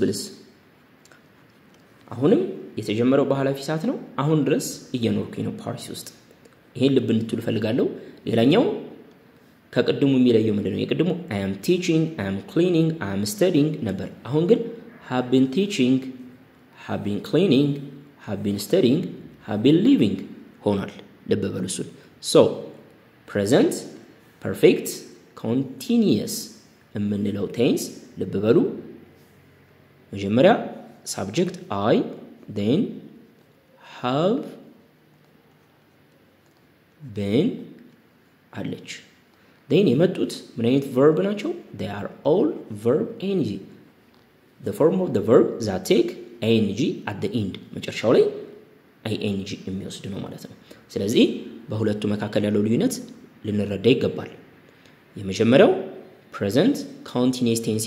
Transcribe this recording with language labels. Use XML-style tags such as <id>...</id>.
<am>ብልስ አሁንም የተጀመረው በኋላፊ ሰዓት ነው፣ አሁን ድረስ እየኖርኩኝ ነው ፓሪስ ውስጥ። ይሄን ልብ እንድትሉ ፈልጋለሁ። ሌላኛው ከቅድሙ የሚለየው ምንድነው? የቅድሙ</am> <en>I am teaching, I am cleaning, I am studying</en> <am>ነበር። አሁን ግን</am> <en>have been teaching, have been cleaning, have been studying, have been living</en> <am>ሆኗል። ልብ በሉ እሱን። So present perfect continuous የምንለው tense ልብ በሉ። መጀመሪያ subject I,</am> <en>then have, been</en> <am>አለች። ዴን የመጡት ምን አይነት verb ናቸው?</am> <en>They are all verb ing. The form of the verb that take ing at the end.</en> <am>መጨረሻው ላይ ing የሚወስድ ነው ማለት ነው። ስለዚህ በሁለቱ መካከል ያለው ልዩነት ልንረዳ ይገባል። የመጀመሪያው present continuous</am>